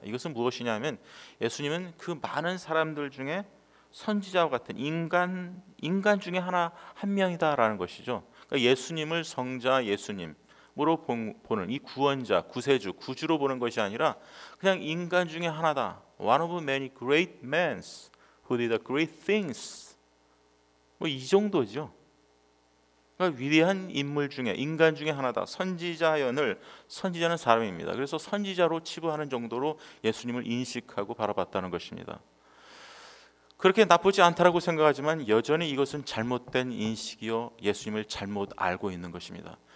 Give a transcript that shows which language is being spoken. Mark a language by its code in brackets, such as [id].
[ko] 이것은 무엇이냐면 예수님은 그 많은 사람들 중에 선지자와 같은 인간 중에 하나 한 명이다라는 것이죠. 그러니까 예수님을 성자 예수님으로 보는 이 구원자, 구세주, 구주로 보는 것이 아니라 그냥 인간 중에 하나다. [en] One of many great men who did the great things. [ko] 뭐 이 정도죠. 그러니까 위대한 인물 중에 인간 중에 하나다. 선지자연을, 선지자는 사람입니다. 그래서 선지자로 치부하는 정도로 예수님을 인식하고 바라봤다는 것입니다. 그렇게 나쁘지 않다라고 생각하지만 여전히 이것은 잘못된 인식이요, 예수님을 잘못 알고 있는 것입니다.